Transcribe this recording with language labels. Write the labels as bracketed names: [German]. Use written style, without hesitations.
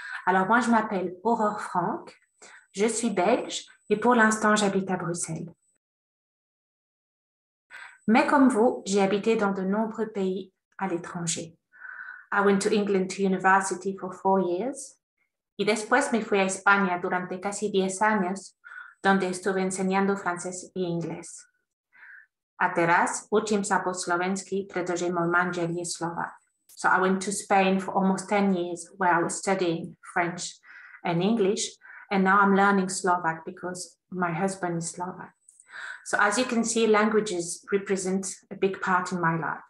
[French] Alors moi, je m'appelle Aurore Franck, je suis belge et pour l'instant, j'habite à Bruxelles. Mais comme vous, j'ai habité dans de nombreux pays à l'étranger. [English] I went to England to university for 4 years [Spanish] y después me fui a España durante casi 10 años, donde estuve enseñando francés y inglés. [Slovak] A teraz učím sa po slovensky, pretože môj manžel je Slovák. [English] So I went to Spain for almost 10 years where I was studying French and English, and now I'm learning Slovak because my husband is Slovak. So as you can see, languages represent a big part in my life.